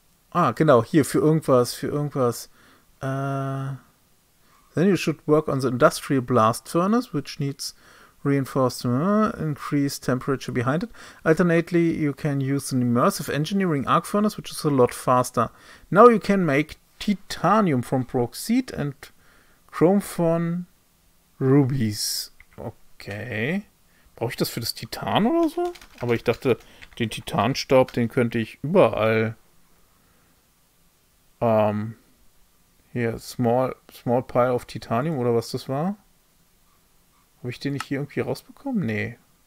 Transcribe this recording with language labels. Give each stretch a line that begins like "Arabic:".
German: Ah, genau, hier, für irgendwas, für irgendwas.
English: Then you should work on the industrial blast furnace, which needs. Reinforced, increased temperature behind it. Alternately, you can use an immersive engineering arc furnace, which is a lot faster. Now you can make titanium from bauxite and chrome from rubies. Okay.
German: Brauche ich das für das Titan oder so? Aber ich dachte, den Titanstaub, den könnte ich überall. Hier,
English: small pile of titanium
German: oder was das war? Habe ich den nicht hier irgendwie rausbekommen? Nee.